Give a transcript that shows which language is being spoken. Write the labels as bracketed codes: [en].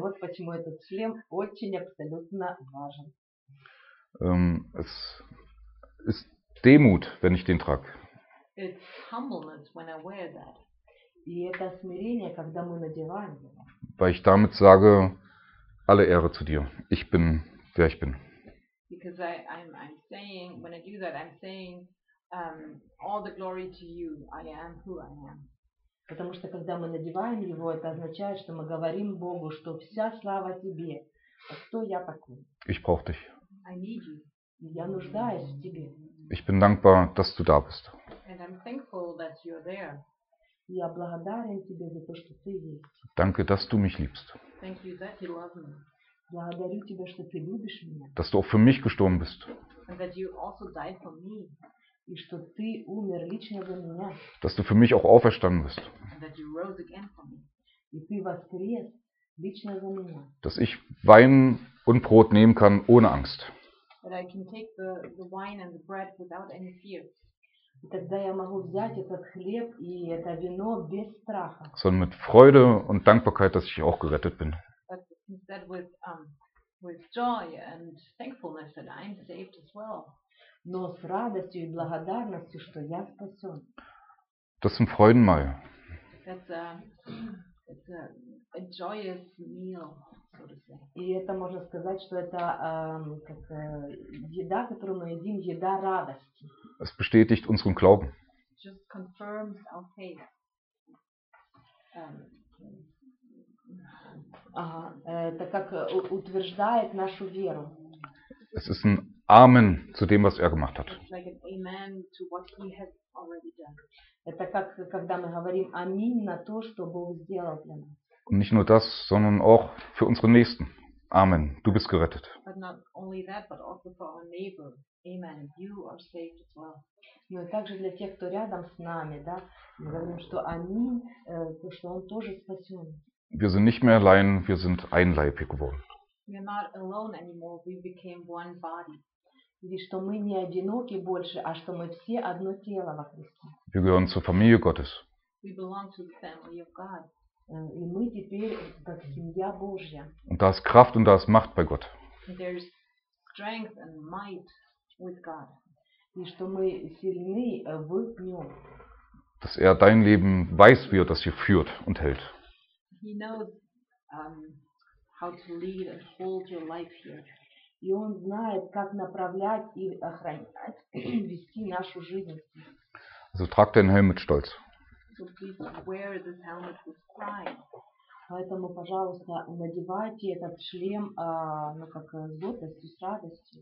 [ru] Вот почему этот шлем очень абсолютно важен. [de] Es ist Demut, wenn ich den trage. [en] It's humbleness when I wear that. [ru] И это смирение, когда мы надеваем его. [de] Weil ich damit sage, alle Ehre zu dir. Ich bin, wer ich bin. [en] Because I'm saying, when I do that, I'm saying, all the glory to you. I am who I am. [ru] Потому что когда мы надеваем его, это означает, что мы говорим Богу, что вся слава тебе. А кто я такой? [de] Ich brauche dich. [en] I need you. [ru] Я нуждаюсь в тебе. [de] Ich bin dankbar, dass du da bist. [en] And I'm thankful that you're there. [ru] Я благодарен тебе за то, что ты есть. [de] Danke, dass du mich liebst. [en] Thank you that you love me. [ru] Благодарю тебя, что ты любишь меня. [de] Dass du auch für mich gestorben bist. [en] And that you also died for me. [ru] И что ты умер лично за меня. [de] Dass du für mich auch auferstanden bist. [en] And that you rose again for me. [ru] И ты воскрес лично за меня. [de] Dass ich Wein und Brot nehmen kann ohne Angst. [en] That I can take the wine and the bread without any fear. [ru] И тогда я могу взять этот хлеб и это вино без страха. [de] Sondern mit Freude und Dankbarkeit, dass ich auch gerettet bin. [en] But instead with joy and thankfulness that I'm saved as well. [ru] Но с радостью и благодарностью, что я спасен. [de] Das ist ein Freudenmahl. [en] That's a joyous meal, so to say. [ru] И это можно сказать, что это как еда, которую мы едим, еда радости. [de] Es bestätigt unseren Glauben. [en] Just confirms our faith. [ru] Это как утверждает нашу веру. [de] Es ist ein Amen zu dem, was er gemacht hat. [en] It's like an amen to what he has already done. [ru] Это как когда мы говорим аминь на то, что Бог сделал для нас. [de] Und nicht nur das, sondern auch für unseren Nächsten. Amen. Du bist gerettet. [en] But not only that, but also for our neighbor. Amen. You are saved as well. [ru] Ну и также для тех, кто рядом с нами, да, мы говорим, что они, что он тоже спасен. [de] Wir sind nicht mehr allein, wir sind ein Leib geworden. [en] We're not alone anymore, we became one body. [ru] И что мы не одиноки больше, а что мы все одно тело во Христе. [de] Wir gehören zur Familie Gottes. [en] We belong to the family of God. [ru] И мы теперь как семья Божья. [de] Und da ist Kraft und da ist Macht bei Gott. [en] There's strength and might with God. [ru] И что мы сильны в нем. [de] Dass er dein Leben weiß, wie er das hier führt und hält. [en] He knows how to lead and hold your life here. [ru] И он знает, как направлять и охранять, вести нашу жизнь. [de] Also trag deinen Helm mit Stolz. [en] So please wear this helmet with pride. [ru] Поэтому, пожалуйста, надевайте этот шлем, ну как с гордостью, с радостью.